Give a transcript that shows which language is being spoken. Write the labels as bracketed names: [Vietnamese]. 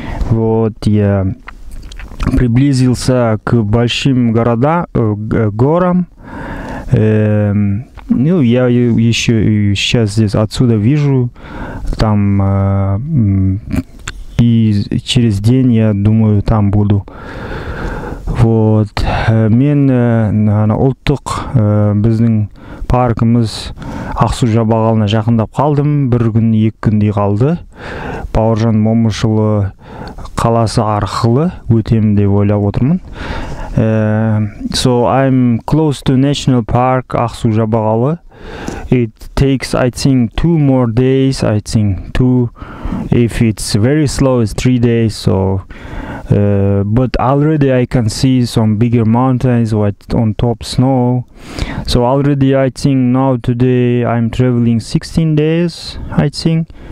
[Russian] Вот, я приблизился к большим городам, горам. Ну, я еще сейчас здесь отсюда вижу, там, и через день, я думаю, там буду. [Kazakh] Вот, мен на ұлттық біздің паркымыз Ақсу жабағалына жақындап қалдым, бір күн, екі күндей қалды. Бауыржан Момышұлы қаласы арқылы өтемін деп ойлап отырмын. [English] So I'm close to National Park Ақсу жабағалы. It takes, I think, two more days, I think, two. If it's very slow, it's 3 days, so... but already I can see some bigger mountains with on top snow. So already I think now today I'm traveling 16 days, I think.